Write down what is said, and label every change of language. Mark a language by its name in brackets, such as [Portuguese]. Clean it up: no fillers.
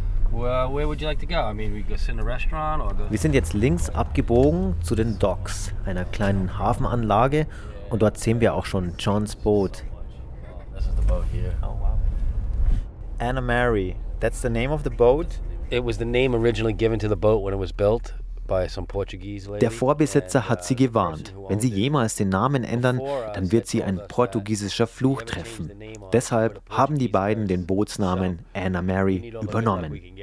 [English] Well, where would you like to go? I mean, we go sit in a restaurant or [German] Wir sind jetzt links abgebogen zu den Docks, einer kleinen Hafenanlage, und dort sehen wir auch schon Johns Boot. [English] This is the boat here. Oh wow. Anna Mary, that's the name of the boat. It was the name originally given to the boat when it was built by some Portuguese lady. [German] Der Vorbesitzer hat sie gewarnt. Wenn sie jemals den Namen ändern, dann wird sie ein portugiesischer Fluch treffen. Deshalb haben die beiden den Bootsnamen Anna Mary übernommen.